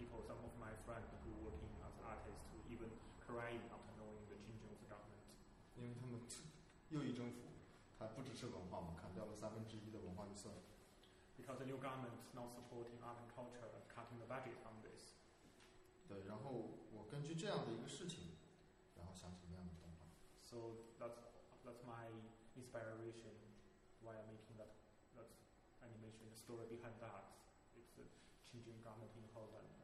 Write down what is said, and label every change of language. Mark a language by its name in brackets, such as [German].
[English] Some of my friends who are working as artists who even crying after knowing the change of the government. [Chinese] 因为他们右翼政府，它不只是文化嘛，砍掉了三分之一的文化预算。 [English] Because the new government not supporting art and culture, cutting the budget on this. [Chinese] 对，然后我根据这样的一个事情，然后想起那样的动画。 [English] So that's my inspiration why I'm making that animation. The story behind that it's a changing government in Holland.